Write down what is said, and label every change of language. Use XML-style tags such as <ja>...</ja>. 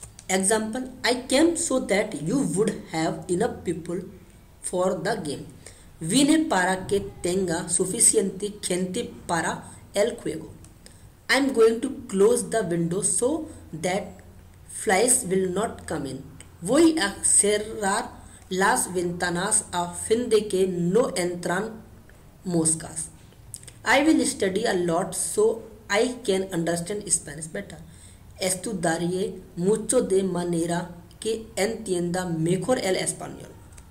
<en>Example, I came so that you would have enough people for the game.</en> <es>Vine para que tenga suficiente gente para el juego.</es> <en>I am going to close the window so that flies will not come in.</en> <es>Voy a cerrar las ventanas a fin de que no entran moscas.</es> <en>I will study a lot so I can understand Spanish better.</en> <es>Estudiaré mucho de manera que entienda mejor el español.</es>